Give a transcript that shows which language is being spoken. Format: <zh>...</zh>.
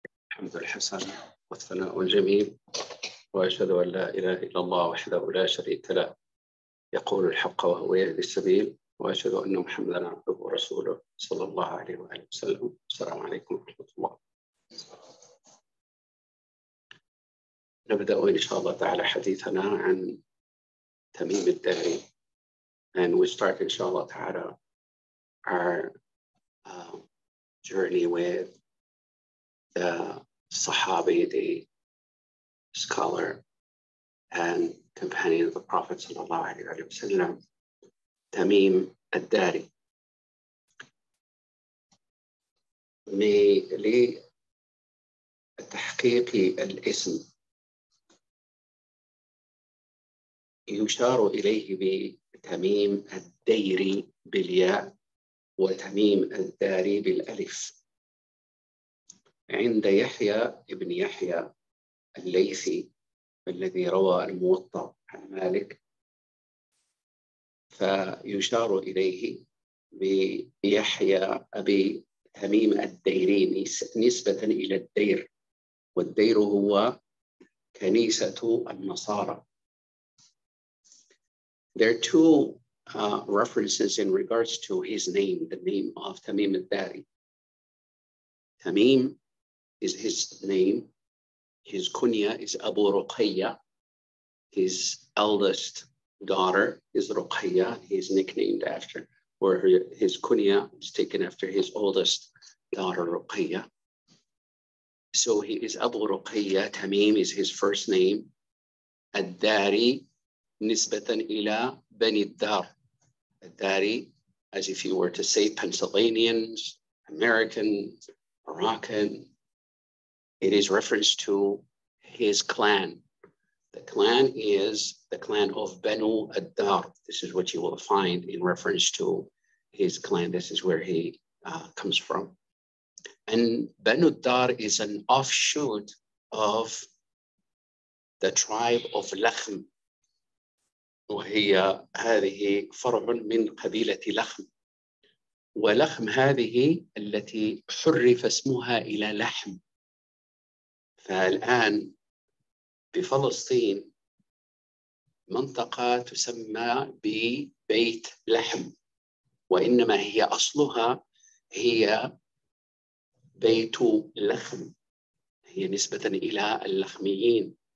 <ar>الحمد للحسن والثناء الجميل، وأشهد أن لا إله إلا الله وحده لا شريك له، يقول الحق وهو يهدي السبيل، وأشهد أن محمدا عبده ورسوله صلى الله عليه وآله وسلم. السلام عليكم ورحمة الله. نبدأ إن شاء الله تعالى حديثنا عن تميم الداعي.</ar> <en>And we start</en> <ar>إن شاء الله تعالى</ar> <en>our journey with the Sahabi, the scholar and companion of the Prophet sallallahu alaihi wasallam, Tamim al-Dari.</en> <ar>من لتحقيق الاسم يشار إليه بتميم الديري بالياء وتميم الداري بالألف. عند يحيى ابن يحيى الليثي الذي روى الموطأ عن مالك، فيشار إليه بيحيى أبي تميم الديري نسبة إلى الدير، والدير هو كنيسة النصارى.</ar> <en>There are two references in regards to his name, the name of Tamim al-Dari. Tamim is his name. His kunya is Abu Ruqayya. His eldest daughter is Ruqayya. He's nicknamed after, or his kunya is taken after his oldest daughter, Ruqayya. So he is Abu Ruqayya. Tamim is his first name.</en> <ar>Al-Dari, نسبة إلى بني الدار.</ar> <en>Daddy, as if you were to say Pennsylvanians, Americans, Moroccan, it is reference to his clan. The clan is the clan of Banu Ad-Dar. This is what you will find in reference to his clan. This is where he comes from. And Banu Ad-Dar is an offshoot of the tribe of Lakhm.</en> <ar>وهي هذه فرع من قبيلة لخم، ولخم هذه التي حرف اسمها إلى لحم. فالآن بفلسطين منطقة تسمى ببيت لحم، وإنما هي أصلها هي بيت لخم، هي نسبة إلى اللخميين.</ar>